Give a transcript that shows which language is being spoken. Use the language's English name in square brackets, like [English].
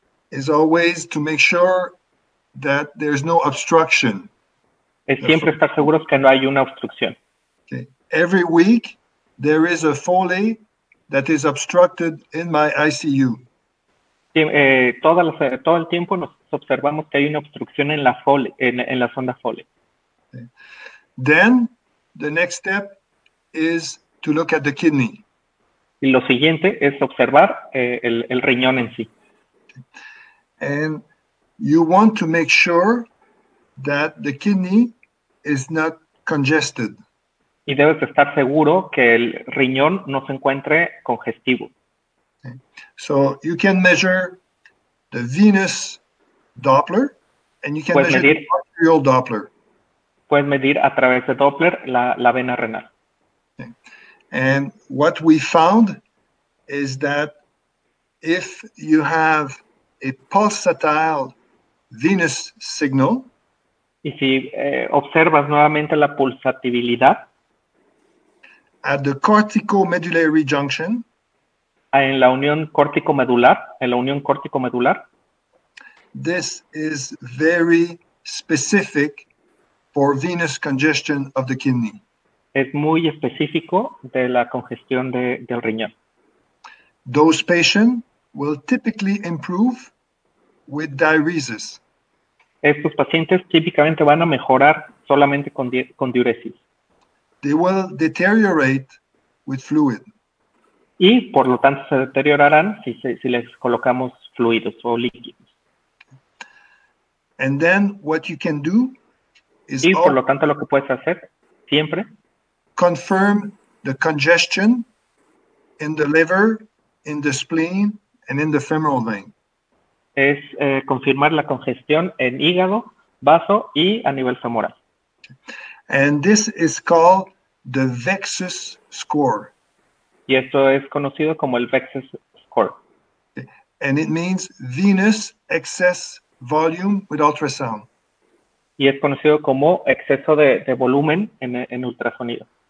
[English] is always to make sure that there's no obstruction. [Spanish] Es siempre estar seguros que no hay una obstrucción. [English] Okay. Every week there is a Foley that is obstructed in my ICU. [Spanish] Todo el tiempo nos observamos que hay una obstrucción en la Foley, en la sonda Foley. Okay. [English] Then the next step is to look at the kidney. [Spanish] Y lo siguiente es observar el riñón en sí. [English] And you want to make sure that the kidney is not congested. [Spanish] Y debes estar seguro que el riñón no se encuentre congestivo. [English] Okay. So you can measure the venous Doppler and you can measure the arterial Doppler. [Spanish] Puedes medir a través de Doppler la vena renal. [English] And what we found is that if you have a pulsatile venous signal, [Spanish] y si observas nuevamente la pulsatilidad [English] at the cortico-medullary junction, [Spanish] en la unión córtico-medular, [English] this is very specific for venous congestion of the kidney. [Spanish] Es muy específico de la congestión del riñón. [English] Those patients will typically improve with diuresis. [Spanish] Estos pacientes típicamente van a mejorar solamente con diuresis. [English] They will deteriorate with fluid. [Spanish] Y por lo tanto se deteriorarán si les colocamos fluidos o líquidos. [English] And then what you can do is [Spanish] y por lo tanto lo que puedes hacer siempre [English] confirm the congestion in the liver, in the spleen, and in the femoral vein. [Spanish] Es confirmar la congestión en hígado, vaso y a nivel femoral. [English] And this is called the VEXUS score. [Spanish] Y esto es conocido como el VEXUS score. [English] And it means venous excess volume with ultrasound. [Spanish] Y es conocido como exceso de volumen en ultrasonido.